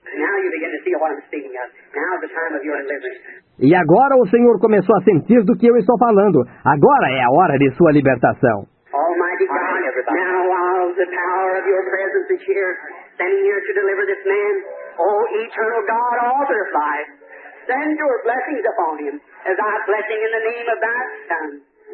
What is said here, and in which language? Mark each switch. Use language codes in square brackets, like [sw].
[en] Now you begin to see what I'm speaking of. Now is the time of your deliverance. [pt] E agora o senhor começou a sentir do que eu estou falando. Agora é a hora de sua libertação. [en] Almighty God, now all the power of your presence is here, standing here to deliver this man. Oh, eternal God, author of life, send your blessings upon him, as I bless him in the name of thy son.